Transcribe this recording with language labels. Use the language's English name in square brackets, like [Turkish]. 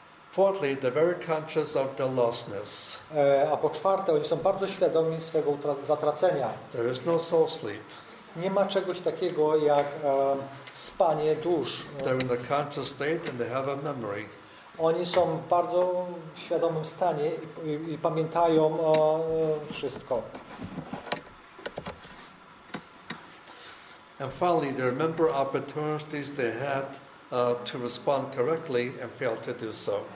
[English] Fourthly, they're very conscious of their lostness. [Polish] A po czwarte, oni są bardzo świadomi swego zatracenia. [English] There is no soul sleep. [Polish] Nie ma czegoś takiego jak spanie dusz. [English] They're in the conscious state and they have a memory. [Polish] Oni są w bardzo świadomym stanie i pamiętają wszystko. [English] And finally, they remember opportunities they had to respond correctly and failed to do so.